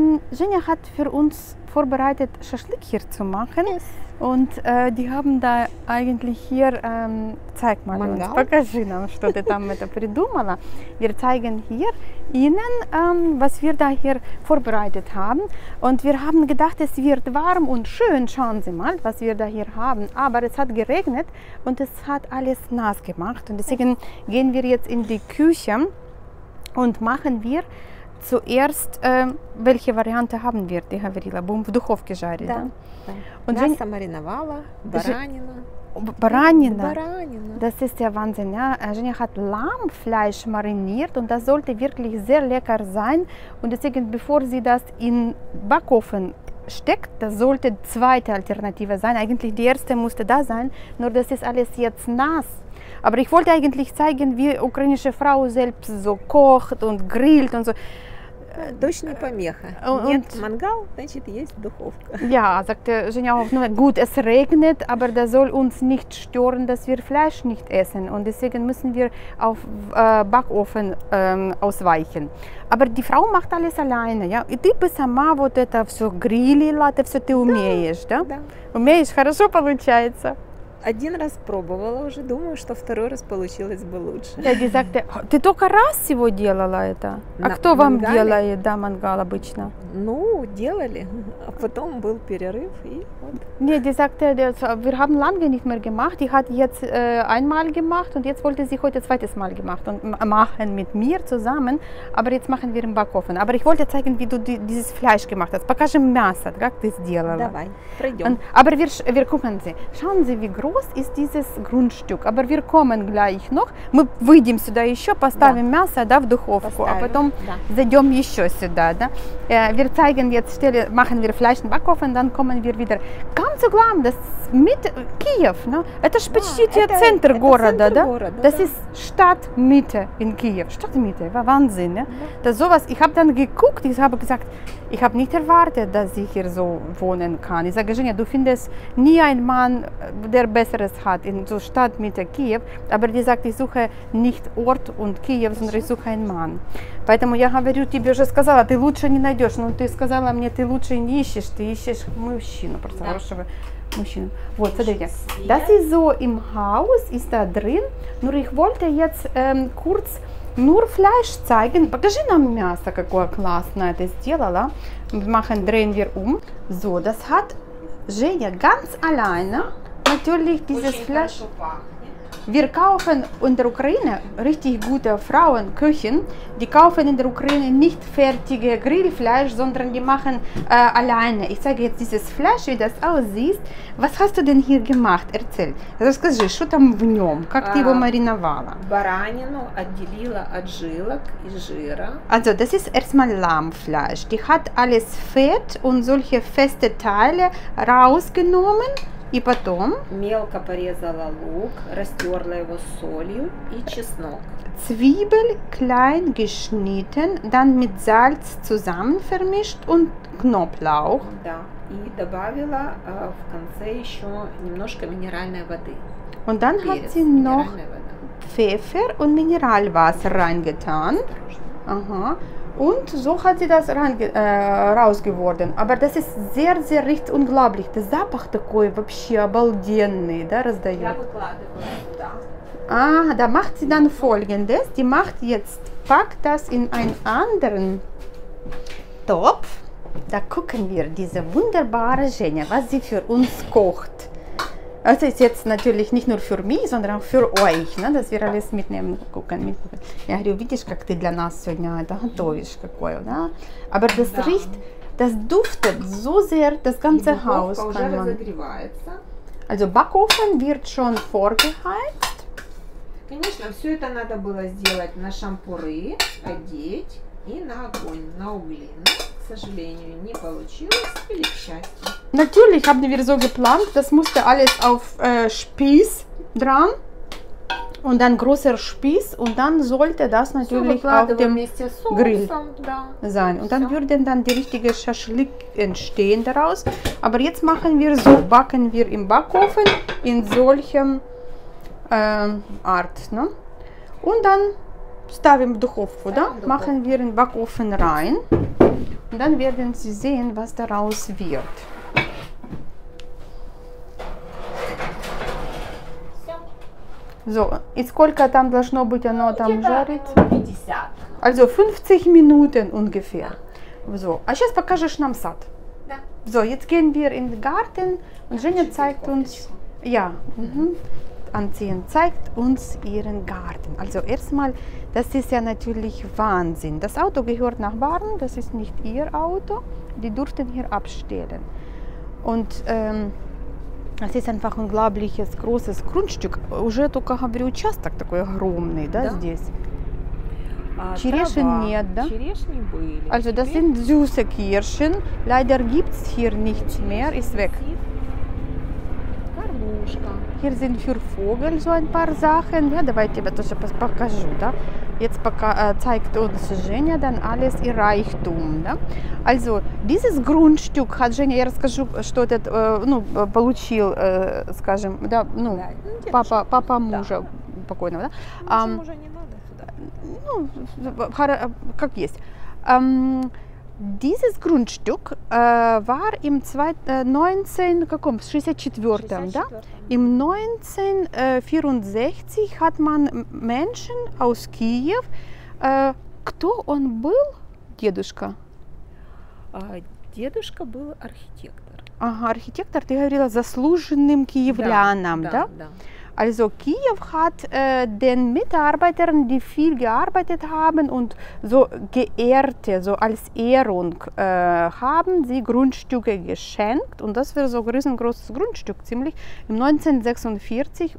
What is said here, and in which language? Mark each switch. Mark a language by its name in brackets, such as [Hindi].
[German] Женя hat für uns vorbereitet, Schaschlik hier zu machen. [English] Yes. [German] Und die haben da eigentlich hier, zeig mal [Russian] Mangal. [German] Uns, [Russian] покажи нам, что ты там это придумала. [German] Wir zeigen hier Ihnen, was wir da hier vorbereitet haben. Und wir haben gedacht, es wird warm und schön. Schauen Sie mal, was wir da hier haben. Aber es hat geregnet und es hat alles nass gemacht. Und deswegen gehen wir jetzt in die Küche und machen wir zuerst, welche Variante haben wir, die Gavrila? [Russian] Bum, в духовке жарить, да? [German] Und [Russian] мясо мариновала, баранина. Баранина. Баранина. [German] Das ist ja Wahnsinn, ja. Женя hat Lammfleisch mariniert und das sollte wirklich sehr lecker sein. Und deswegen, bevor sie das in Backofen steckt, das sollte zweite Alternative sein. Eigentlich die erste musste da sein, nur das ist alles jetzt nass. Aber ich wollte eigentlich zeigen, wie ukrainische Frau selbst so kocht und grillt und so. [Russian] Дождь не помеха. Нет мангал, значит, есть духовка. [German] Ja, sagte Женя auch, [Russian] ну, [German] gut, es regnet, aber das soll uns nicht stören, dass wir Fleisch nicht essen. Und deswegen müssen wir auf Backofen ausweichen. Aber die Frau macht alles alleine, ja? [Russian] И ты бы сама вот это все грилила, это все ты умеешь, да? Да. Умеешь, хорошо получается. Один раз пробовала уже, думаю, что второй раз получилось бы лучше. Дяди, [German] sagte, [Russian] ты только раз всего делала это? А кто вам делает, да, мангал обычно? Ну, делали, а потом был перерыв и вот. Нет, дяди, [German] sagte, wir haben lange nicht mehr gemacht. Ich hatte jetzt einmal gemacht und jetzt wollte sie heute zweites Mal gemacht und machen mit mir zusammen. Aber jetzt machen wir im Backofen. Aber ich wollte zeigen, wie du dieses Fleisch gemacht hast. [Russian] Покажи мясо, как ты сделала. Давай, пройдем. [German] Aber wir gucken sie. Schauen Sie, wie groß ist dieses Grundstück, aber wir kommen gleich noch. [Russian] Мы выйдем сюда еще, поставим, да, мясо, да, в духовку, поставим, а потом, да, зайдем еще сюда, да. [German] Wir zeigen jetzt, stelle, machen wir Fleisch in Backofen, dann kommen wir wieder. Ganz so glauben, das mit Kiew, ne? [Russian] Это ж почти, да, это центр города, центр, да? Города, [German] das, [Russian] да, [German] ist Stadtmitte in Kiew. Stadtmitte, war Wahnsinn, ne? Ja. Das sowas, ich habe dann geguckt, ich habe gesagt, ich habe nicht erwartet, dass sie hier so wohnen kann. Ich sage, Женя, du findest nie einen Mann, der Besseres hat in so Stadtmitte Kiew. Aber die sagt, ich suche nicht Ort und Kiew, sondern ich suche einen Mann. [Russian] Поэтому я говорю тебе уже сказала, ты лучше не найдешь. Но ты сказала мне, ты лучше не ищешь, ты ищешь мужчину, просто, да, хорошего мужчину. Вот, смотрите. [German] Das ist so im Haus, ist da drin. Nur ich wollte jetzt kurz nur Fleisch zeigen. [Russian] Покажи нам мясо, какое классное ты сделала. [German] Machen, drehen wir um. So, das hat Женя ganz alleine natürlich dieses Fleisch. Wir kaufen in der Ukraine richtig gute Frauenküchen. Die kaufen in der Ukraine nicht fertige Grillfleisch, sondern die machen alleine. Ich zeige jetzt dieses Fleisch, wie das aussieht. Was hast du denn hier gemacht? Erzähl. [Russian] Расскажи, что там в нем? Как ты его мариновала? Баранину отделила от жилок и жира. [German] Also, das ist erstmal Lammfleisch. Die hat alles Fett und solche feste Teile rausgenommen. [Russian] И потом мелко порезала лук, растерла его солью и чеснок. [German] Zwiebeln klein geschnitten, dann mit Salz zusammen vermischt und Knoblauch. [Russian] Да, и добавила в конце еще немножко минеральной воды. [German] Und dann [Russian] Перец, [German] hat sie noch Pfeffer und Mineralwasser reingetan. Aha. Und so hat sie das raus geworden. Aber das ist sehr, sehr richtig unglaublich. Der [Russian] Запах такой вообще обалденный, да, раздает. [German] Ah, da macht sie dann Folgendes. Die macht jetzt, packt das in einen anderen Topf. Da gucken wir diese wunderbare Женя, was sie für uns kocht. Das ist jetzt natürlich nicht nur für mich, sondern auch für euch, ne, dass wir alles mitnehmen, gucken, mitgucken. Ja, du [Russian] видишь, как ты для нас сегодня это готовишь, какое, да? [German] Aber das, [Russian] да, [German] riecht, das duftet so sehr, das ganze die Haus Duftka kann [Russian] уже [German] man. [Russian] Разогревается. [German] Also Backofen wird schon vorgeheizt. [Russian] Конечно, все это надо было сделать на шампуры, одеть и на огонь, на угли. Но, к сожалению, не получилось или к счастью. [German] Natürlich haben wir so geplant, das musste alles auf Spieß dran. Und dann großer Spieß und dann sollte das natürlich auf dem Grill sein. Und dann würden dann die richtige Schaschlik entstehen daraus. Aber jetzt machen wir so, backen wir im Backofen in solchem Art. Ne? Und dann [Russian] stavim duchovku, da? [German] Machen wir in den Backofen rein. Und dann werden Sie sehen, was daraus wird. So, [Russian] и сколько там должно быть оно там жарить? 50. [German] Also 50 Minuten ungefähr. So, [Russian] а сейчас покажешь нам сад. Да. [German] So, jetzt gehen wir in den Garten und Женя zeigt uns, ja, anziehen, zeigt uns ihren Garten. Also erstmal, das ist ja natürlich Wahnsinn. Das Auto gehört Nachbarn, das ist nicht ihr Auto. Die durften hier abstellen. Und das ist einfach ein unglaubliches, großes Grundstück. [Russian] Уже только говорю, участок такой огромный, да, здесь. Черешин нет, да? Черешни были. [German] Also, das sind süße Kirschen. Leider gibt es hier nichts mehr, ist weg. [Russian] Кормушка. [German] Hier sind für Vogel so ein paar Sachen. Ja, [Russian] давайте я тоже покажу, да? [German] Jetzt zeigt uns Женя dann alles ihr Reichtum. [Russian] Да? [German] Also, dieses Grundstück hat Женя, [Russian] я расскажу, что этот, ну, получил, скажем, да, ну, да, папа, ну, папа мужа да. покойного. Да? Мужа не надо сюда. Ну, как есть. [German] Dieses Grundstück war im 1964, [Russian] да? [German] Im 1964 hat man Menschen aus Kiew, [Russian] кто он был, дедушка? Дедушка был архитектор. Ага, архитектор, ты говорила, заслуженным киевлянам, да? [German] Also Kiew hat den Mitarbeitern, die viel gearbeitet haben und so geehrte, so als Ehrung, haben sie Grundstücke geschenkt. Und das war so ein riesengroßes Grundstück, ziemlich, im 1946.